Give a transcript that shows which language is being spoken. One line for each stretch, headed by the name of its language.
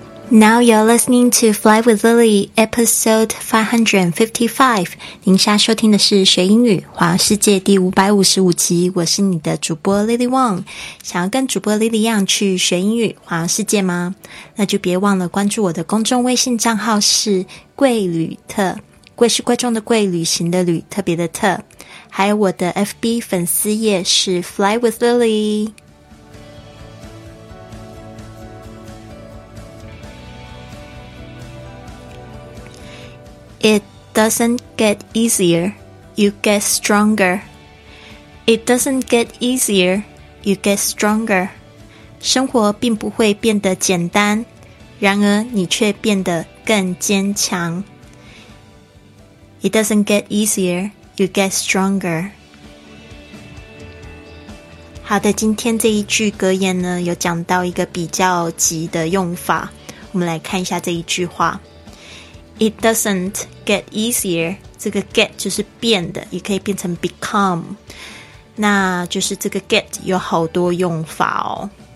English: Now you're listening to Fly with Lily, episode 555.
Chinese: 您现在收听的是学英语华世界第555集。我是你的主播 Lily Wong。想要跟主播 Lily 一样去学英语华世界吗？那就别忘了关注我的公众微信账号是贵旅特。贵是贵重的贵，旅行的旅，特别的特。还有我的 FB 粉丝页是 Fly with Lily。
English: It doesn't get easier, you get stronger. It doesn't get easier, you get stronger.
Chinese: 生活并不会变得简单，然而你却变得更坚强。
English: It doesn't get easier, you get stronger.
Chinese: 好的，今天这一句格言呢，有讲到一个比较级的用法，我们来看一下这一句话。
English: It doesn't get easier.
Chinese: 这个 get 就是变的，也可以变成 become. 那就是这个 get 有好多用法哦。